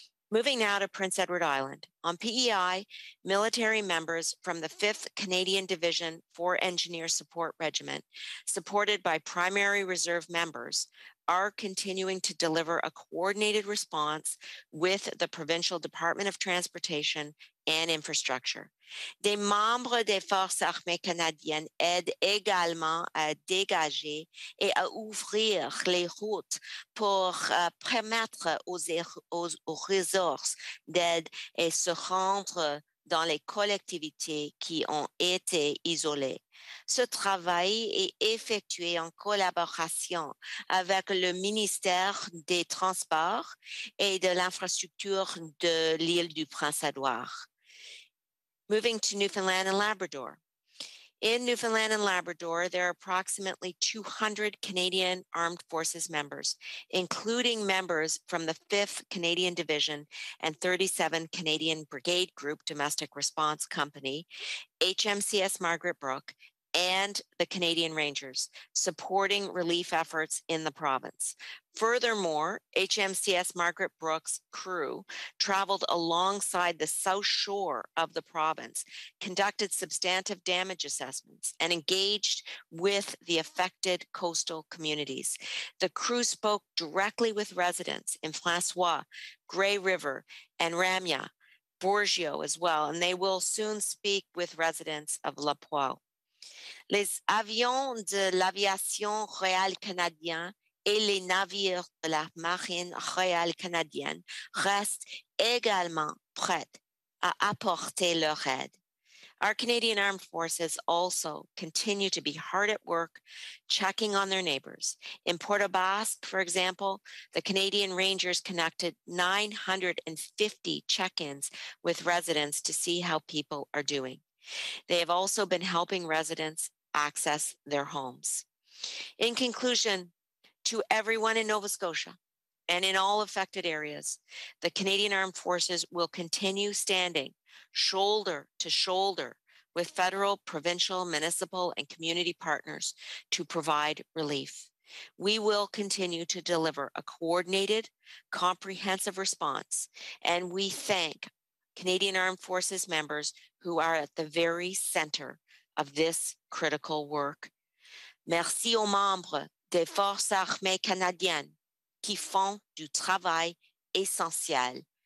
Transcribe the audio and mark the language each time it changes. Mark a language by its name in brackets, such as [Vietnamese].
[English] Moving now to Prince Edward Island. On PEI, military members from the 5th Canadian Division 4 Engineer Support Regiment, supported by primary reserve members, are continuing to deliver a coordinated response with the Provincial Department of Transportation and Infrastructure. [French] Des membres des Forces armées canadiennes aident également à dégager et à ouvrir les routes pour permettre aux ressources d'aide et se rendre dans les collectivités qui ont été isolées. Ce travail est effectué en collaboration avec le ministère des Transports et de l'Infrastructure de l'île du Prince-Édouard. [English] Moving to Newfoundland and Labrador. In Newfoundland and Labrador, there are approximately 200 Canadian Armed Forces members, including members from the 5th Canadian Division and 37th Canadian Brigade Group Domestic Response Company, HMCS Margaret Brooke, and the Canadian Rangers, supporting relief efforts in the province. Furthermore, HMCS Margaret Brooke's crew traveled alongside the south shore of the province, conducted substantive damage assessments, and engaged with the affected coastal communities. The crew spoke directly with residents in Francois, Grey River, and Ramia, Borgio as well, and they will soon speak with residents of La Poix. [French] Les avions de l'aviation royale canadienne et les navires de la Marine royale canadienne restent également prêts à apporter leur aide. [English] Our Canadian Armed Forces also continue to be hard at work checking on their neighbors. In Porto Basque, for example, the Canadian Rangers conducted 950 check-ins with residents to see how people are doing. They have also been helping residents access their homes. In conclusion, to everyone in Nova Scotia and in all affected areas, the Canadian Armed Forces will continue standing shoulder to shoulder with federal, provincial, municipal, and community partners to provide relief. We will continue to deliver a coordinated, comprehensive response, and we thank Canadian Armed Forces members who are at the very center of this critical work. [French] Merci aux membres des Forces armées canadiennes qui font du travail essentiel.